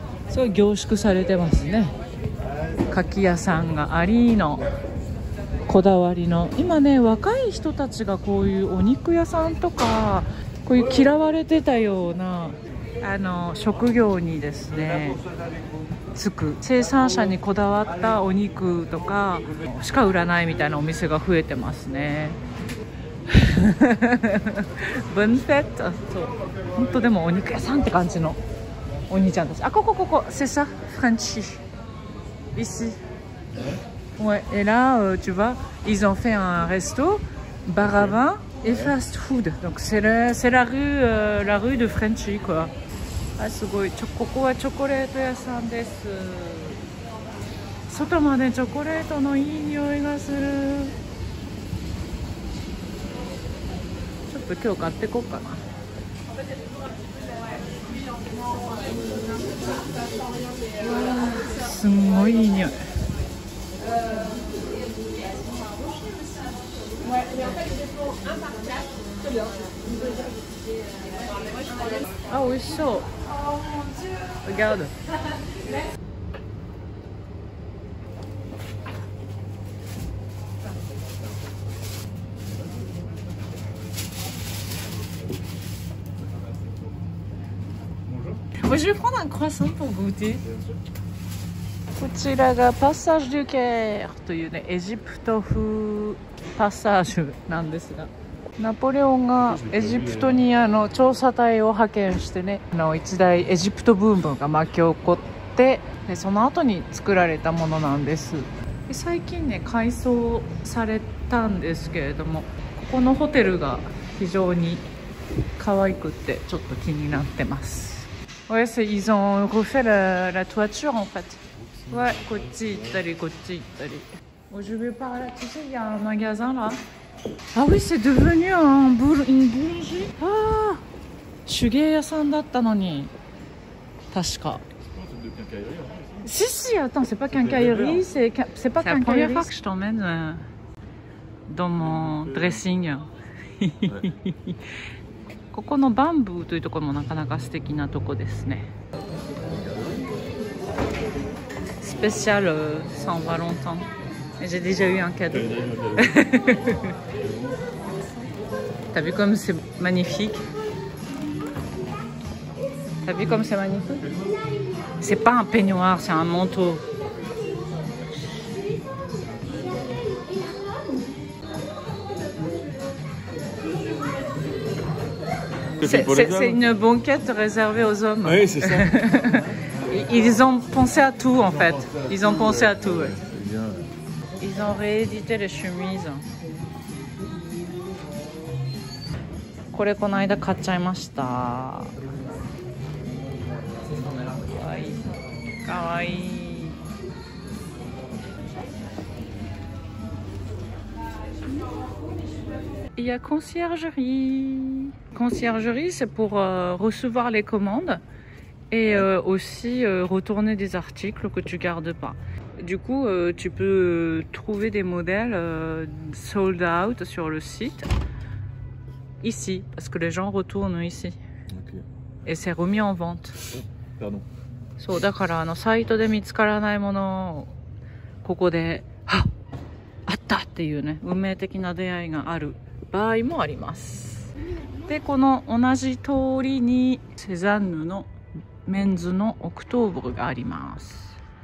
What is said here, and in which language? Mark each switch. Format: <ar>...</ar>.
<ja>すごい凝縮されてますね。柿屋さんがありのこだわりの、今ね若い人たちがこういうお肉屋さんとか、こういう嫌われてたような職業にですねつく、生産者にこだわったお肉とかしか売らないみたいなお店が増えてますね。ブンペット、本当でもお肉屋さんって感じのお兄ちゃんたち、あ、ここここセサフランチIci.</ja> <fr>Ouais, et là, tu vois, ils ont fait un resto, bar à vin et fast food. Donc, c'est la rue de Frenchy, quoi.</fr> <ja>Ah, すごい。ここはチョコレート屋さんです。外までチョコレートのいい匂いがする。ちょっと今日買ってこっかな。すんごいいい匂い。あ、美味しそう。</ja> <fr>Regarde。 Je vais prendre un croissant pour goûter.</fr> <ja>こちらがパッサージュケールというね、エジプト風パッサージュなんですが、ナポレオンがエジプトに調査隊を派遣してね、一大エジプトブームが巻き起こって、でその後に作られたものなんです。で最近ね改装されたんですけれども、ここのホテルが非常に可愛くってちょっと気になってます。</ja> <fr>Ouais, c'est, ils ont refait la toiture en fait. Ouais, côté Italie, côté Italie. Bon, je vais par là, tu sais, il y a un magasin là. Ah oui, c'est devenu une boulangerie.</fr> <ja>Ah, shugeya-san datta no ni. Tashika.</ja> <fr>Si, attends, c'est pas quincaillerie, c'est pas quincaillerie. C'est la première fois que je t'emmène. dans mon dressing.</fr> <ja>ここのバンブーというところもなかなか素敵なとこですね。スペシャルサンバロンタン。</ja> <fr>J'ai déjà eu un cadeau. T'as vu comme c'est magnifique? T'as vu comme c'est magnifique? C'est pas un peignoir, c'est un manteau. C'est une banquette réservée aux hommes. Oui, c'est ça. Ils ont pensé à tout en fait. Ils ont pensé à tout. Ouais. Ils ont réédité les chemises.</fr> <ja>これこの間買っちゃいました。かわいい。</ja> <fr>Il y a conciergerie. Conciergerie, c'est pour recevoir les commandes et aussi retourner des articles que tu gardes pas. Du coup, tu peux trouver des modèles sold out sur le site ici, parce que les gens retournent ici. Okay. Et c'est remis en vente. Pardon. Donc,</fr> <ja>だからあのサイトで見つからないものをここで、あ、あったっていうね、運命的な出会いがある。場合もあります。で、この同じ通りにセザンヌのメンズのオクトーブルがあります。</ja>